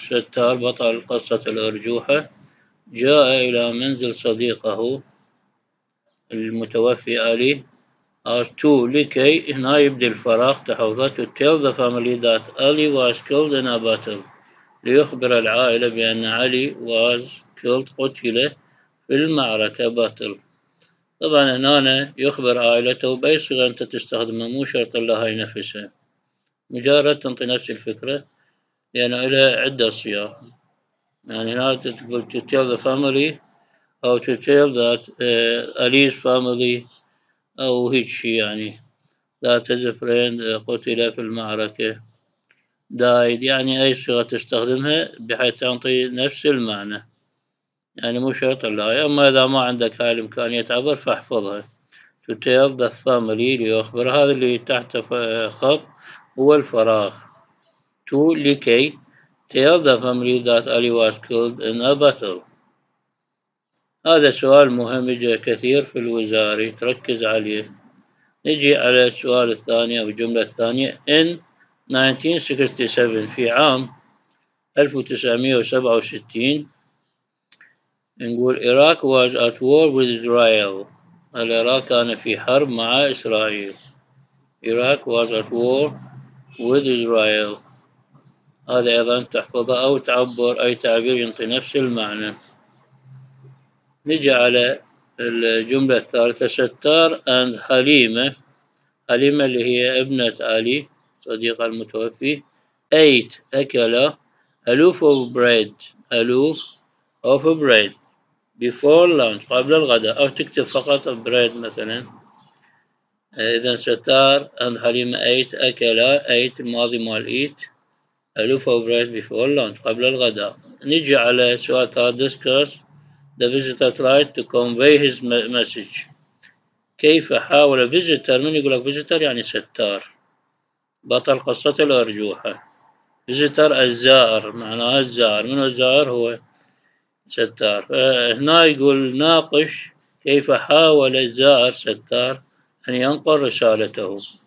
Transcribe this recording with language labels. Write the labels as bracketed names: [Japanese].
[Arabic] ستار بطل قصة الأرجوحة جاء إلى منزل صديقه المتوفي علي. Are two لكي، هنا يبدأ الفراغ، تحفظه. [English] To tell the family that Ali was killed in a battle. [Arabic] ليخبر العائلة بأن علي [English] was killed، [Arabic] قتل في المعركة battle. طبعا هنا يخبر عائلته، بأي صيغة أنت تستخدمها، مو شرط لها نفسها، مجرد تنطي نفس الفكرة، لأنه يعني لها عدة صياغ. يعني هنا تقول [English] to tell the family [Arabic] أو [English] to tell that Ali's family [Arabic] أو هيك شيء، يعني [English] that his friend [Arabic] قتل في المعركة died، يعني أي صيغة تستخدمها بحيث تعطي نفس المعنى، يعني مو شرط لها. أما إذا ما عندك هاي الإمكانية تعبر فاحفظها. [English] To tell the family [Arabic] ليخبر، هذا اللي تحت خط هو الفراغ. [English] To لكي، tell the family that Ali was killed in a battle. [Arabic] هذا سؤال مهم جدا كثير في الوزارة، تركز عليه. نجي على السؤال الثاني أو الجملة الثانية. [English] In 1967 [Arabic] في عام 1967 نقول [English] Iraq was at war with Israel. [Arabic] العراق كان في حرب مع إسرائيل. [English] Iraq was at war with Israel. [Arabic] هذا أيضا تحفظه أو تعبر أي تعبير ينطي نفس المعنى. نجي على الجملة الثالثة. ستار and حليمة، حليمة اللي هي ابنة علي صديقة المتوفي، ate أكل [English] a loaf of bread before lunch [Arabic] قبل الغداء، أو تكتب فقط bread مثلا. [English] إذا ستار and حليمة ate أكل ate [Arabic] الماضي مال [English] eat a loaf of bread before lunch [Arabic] قبل الغداء. نجي على سؤال ثالث. [English] Discuss the visitor tried to convey his message. [Arabic] كيف حاول visitor، من يقول لك visitor يعني ستار بطل قصة الأرجوحة. visitor الزائر، معناه الزائر، من الزائر هو ستار. هنا يقول ناقش كيف حاول الزائر ستار أن ينقل رسالته.